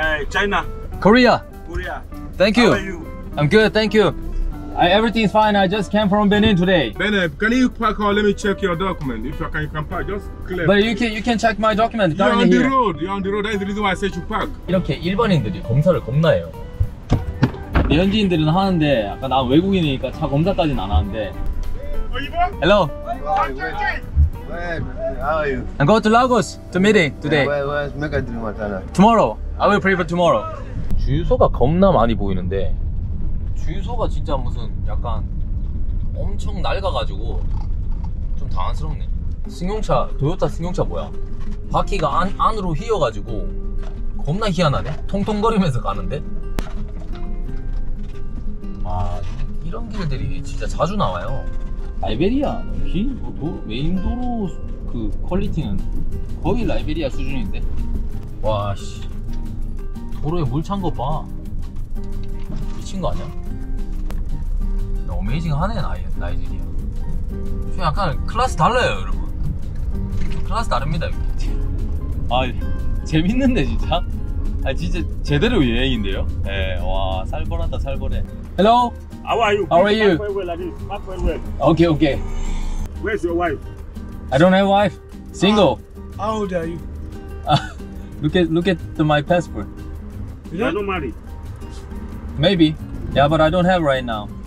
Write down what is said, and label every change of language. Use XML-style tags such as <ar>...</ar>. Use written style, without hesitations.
<en>China. Korea. Korea. Thank you. How are you? I'm good. Thank you. Everything's fine. I just came from Benin today. Benin, can you park or let me check your document? If you can park, just clear. But you can check my document. You're on the road. You're on the road. That's the reason why I said you park.</en> <ko>이렇게 일본인들이 검사를 겁나 해요. 현지인들은 하는데 약간 난 외국인이니까 차 검사까지는 안 하는데.</ko> <en>Hello. Where? How are you? I'm going to Lagos to meeting today. Yeah, where's Mega Dream Montana? Tomorrow. I will pray for tomorrow.</en> <ko>주유소가 겁나 많이 보이는데 주유소가 진짜 무슨 약간 엄청 낡아가지고 좀 당황스럽네. 승용차 도요타 승용차 뭐야? 바퀴가 안으로 휘어가지고 겁나 희한하네. 통통거리면서 가는데. 와 이런 길들이 진짜 자주 나와요. 라이베리아 길 메인도로 그 퀄리티는 거의 라이베리아 수준인데. 와씨 도로에 물 찬 거 봐. 미친 거 아니야? 어메이징하네 나이지리아. 좀 약간 클래스 달라요 여러분. 클래스 다릅니다 여기. 아 재밌는데 진짜. 아 진짜 제대로 여행인데요. 예, 와 살벌하다 살벌해.</ko> <en>Hello. How are you? How are you? Park very well, like this. Park very well. Okay, okay. Where's your wife? I don't have wife. Single. How old are you? look at my passport. You are not married. Maybe. Yeah, but I don't have right now.</en>